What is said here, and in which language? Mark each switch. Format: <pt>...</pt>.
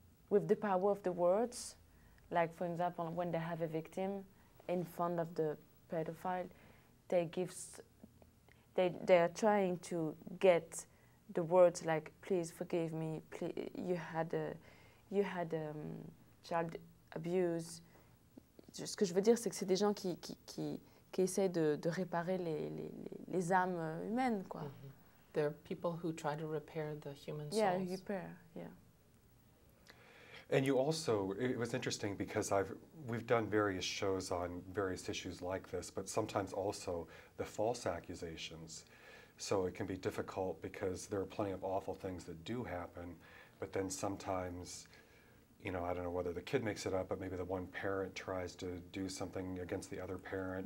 <en>With the power of the words, like, for example, when they have a victim in front of the pedophile, they are trying to get the words like, please forgive me, you had child abuse.</en> <fr>Ce que je veux dire, c'est que c'est des gens qui essaient de réparer les âmes humaines, quoi. Mm-hmm.</fr> <en>There are people who try to repair the human souls. Yeah, repair, yeah. And you also, it was interesting because we've done various shows on various issues like this, but sometimes also the false accusations. So it can be difficult because there are plenty of awful things that do happen, but then sometimes, you know, I don't know whether the kid makes it up, but maybe the one parent tries to do something against the other parent.</en>